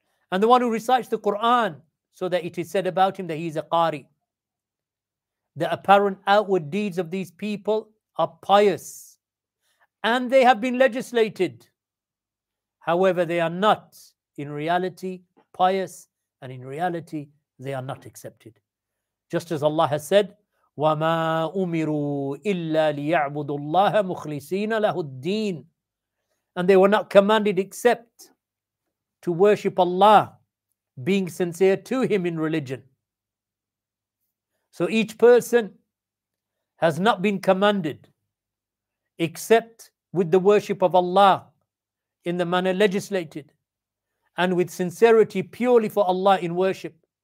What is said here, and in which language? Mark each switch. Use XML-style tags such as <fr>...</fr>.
<en>And the one who recites the Quran, so that it is said about him that he is a qari. The apparent outward deeds of these people are pious, and they have been legislated. However, they are not in reality pious, and in reality they are not accepted.</en> <ar>Just as Allah has said, وَمَا أُمِرُوا إِلَّا لِيَعْبُدُوا اللَّهَ مُخْلِصِينَ لَهُ الدِّينَ.</ar> <en>And they were not commanded except to worship Allah, being sincere to him in religion. So each person has not been commanded except with the worship of Allah in the manner legislated, and with sincerity purely for Allah in worship.</en>